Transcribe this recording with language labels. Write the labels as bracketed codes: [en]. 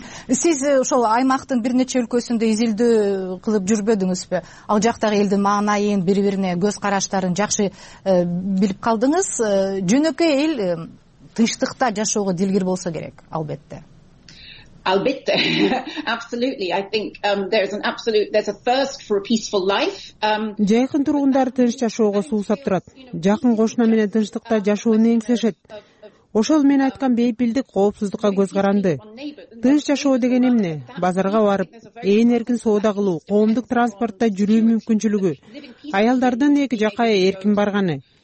[ky] Сиз ошол аймактын бир нече өлкөсүндө изилдөө кылып жүрбөдүңүзбү? Ал жактагы элдин маанайын, бири бирине көз караштарын жакшы билип калдыңыз. Жөнөкөй эл тынчтыкта жашоого дилгир болсо керек, албетте. Albette. [en] Absolutely. I think there's a thirst for a peaceful life. [ky] Жакын тургундар тынч жашоого суусап турат. Жакын кошуна менен тынчтыкта жашоону эңсешет. Ошол мен айткан бейпилдик коопсуздукка көз каранды. Тынч жашоо деген эмне? Базарга барып, ээн эркин соода кылуу, коомдук транспортто жүрүү мүмкүнчүлүгү, аялдардын эки жакка эркин барганы.